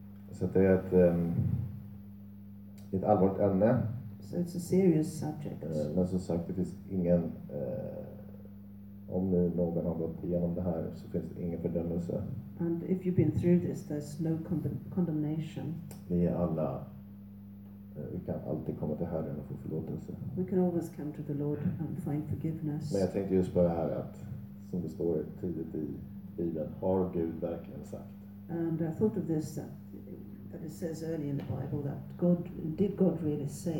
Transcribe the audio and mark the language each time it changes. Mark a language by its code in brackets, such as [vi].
[sv] Så det är ett allvarligt ämne. [en] So it's a serious subject. [sv] Men som sagt, det finns ingen, om nu någon har gått igenom det här så finns det ingen fördömelse. [en] And if you've been through this, there's no condemnation. [sv] Vi är alla, vi kan alltid komma till Herren och få förlåtelse. [en] We can always come to the Lord and find forgiveness. [sv] Men jag tänkte just på det här att, som det står tidigt i Bibeln, har Gud verkligen sagt? [en] And I thought of this, that it says early in the Bible that God, did God really say?